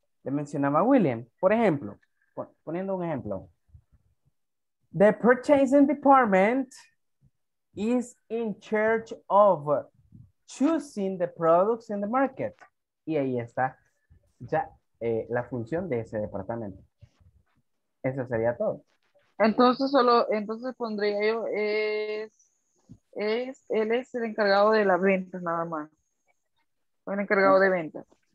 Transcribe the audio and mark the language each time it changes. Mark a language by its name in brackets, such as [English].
[Spanish] Le mencionaba William, por ejemplo, poniendo un ejemplo. [English] The purchasing department is in charge of choosing the products in the market. [Spanish] Y ahí está ya la función de ese departamento. Eso sería todo. Entonces pondría yo, él es el encargado de las ventas nada más. El encargado de ventas.